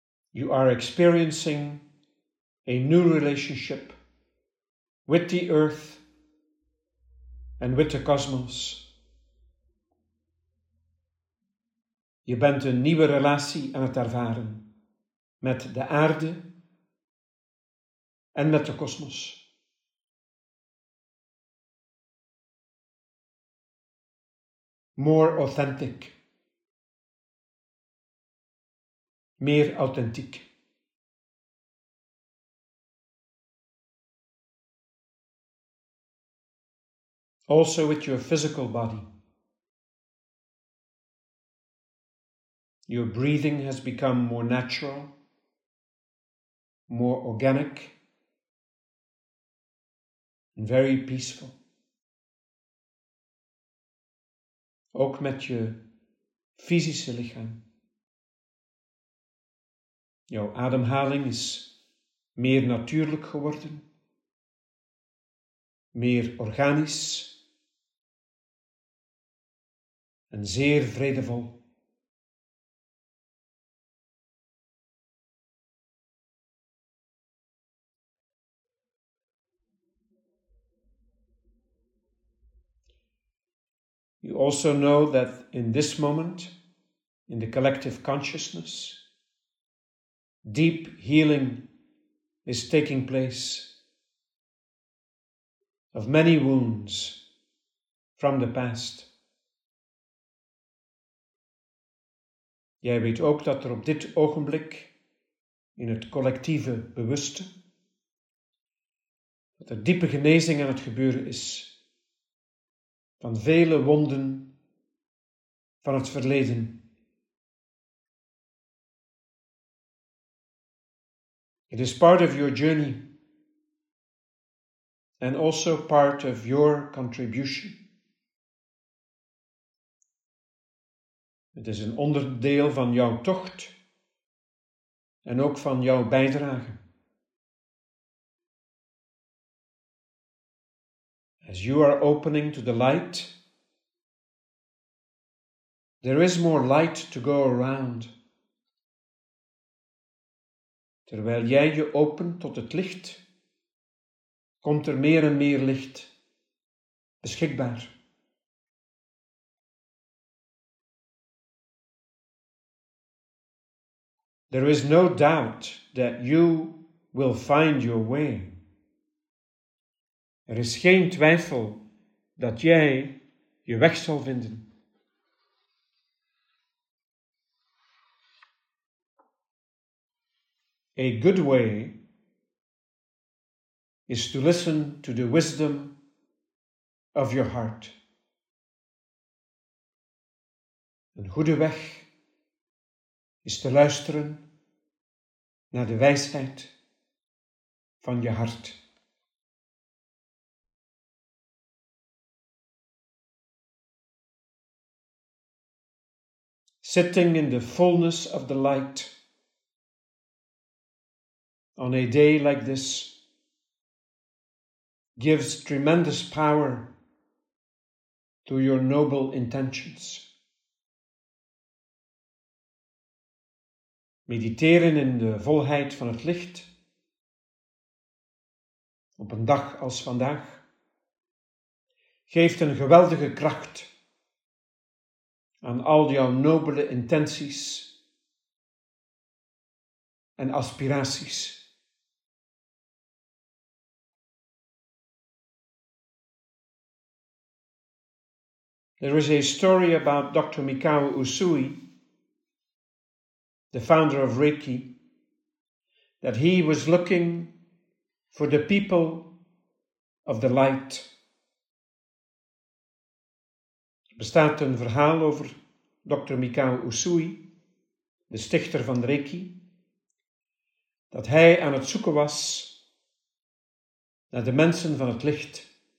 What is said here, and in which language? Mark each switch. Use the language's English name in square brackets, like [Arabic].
[English] You are experiencing a new relationship with the earth and with the cosmos. [Dutch] Je bent een nieuwe relatie aan het ervaren met de aarde en met de kosmos. [English] More authentic. [Dutch] Meer authentiek. [English] Also with your physical body. Your breathing has become more natural, more organic, and very peaceful. [Dutch] Ook met je fysische lichaam. Jouw ademhaling is meer natuurlijk geworden, meer organisch en zeer vredevol. [English] You also know that in this moment, in the collective consciousness, deep healing is taking place of many wounds from the past. [Dutch] Jij weet ook dat er op dit ogenblik, in het collectieve bewuste, dat er diepe genezing aan het gebeuren is van vele wonden van het verleden. [English] It is part of your journey and also part of your contribution. [Dutch] Het is een onderdeel van jouw tocht en ook van jouw bijdrage. [English] As you are opening to the light, there is more light to go around. [Dutch] Terwijl jij je opent tot het licht, komt er meer en meer licht beschikbaar. [English] There is no doubt that you will find your way. [Dutch] Er is geen twijfel dat jij je weg zal vinden. [English] A good way is to listen to the wisdom of your heart. [Dutch] Een goede weg is te luisteren naar de wijsheid van je hart. [English] Sitting in the fullness of the light, on a day like this, gives tremendous power to your noble intentions. [Dutch] Mediteren in de volheid van het licht, op een dag als vandaag, geeft een geweldige kracht aan al jouw nobele intenties en aspiraties. [English] There is a story about Dr. Mikao Usui, the founder of Reiki, that he was looking for the people of the light. [Dutch] Er bestaat een verhaal over Dr. Mikao Usui, de stichter van Reiki, dat hij aan het zoeken was naar de mensen van het licht.